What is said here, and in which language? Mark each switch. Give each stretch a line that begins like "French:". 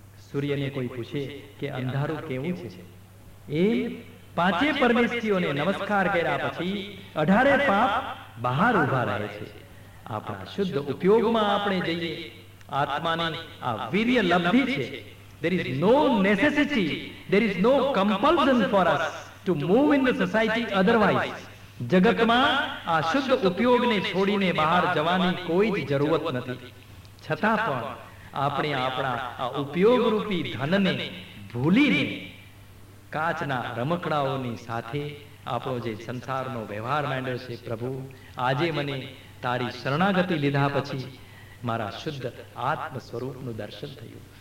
Gujarati: સૂર્યને કોઈ પૂછે કે અંધારું કેવું છે, એ પાંચે પરમેશ્વરીઓને નમસ્કાર કર્યા પછી 18 પાપ બહાર ઉભા રહે છે. આપણા શુદ્ધ ઉપયોગમાં આપણે જઈએ આત્માની આ વીર્ય લબ્ધિ છે.
English: There is no necessity, there is no compulsion for us to move in the society otherwise.
Gujarati: જગતમાં આ શુદ્ધ ઉપયોગને છોડીને બહાર જવાની કોઈ જ જરૂરત નથી. છતાં પણ આપણે આપણા આ ઉપયોગ રૂપી ધનને ભૂલીને કાચના રમકડાઓની સાથે આપણો જે સંસારનો વ્યવહાર માંડ્યો છે, પ્રભુ આજે મને તારી શરણાગતિ લીધા પછી મારા શુદ્ધ આત્મ સ્વરૂપનું દર્શન થયું.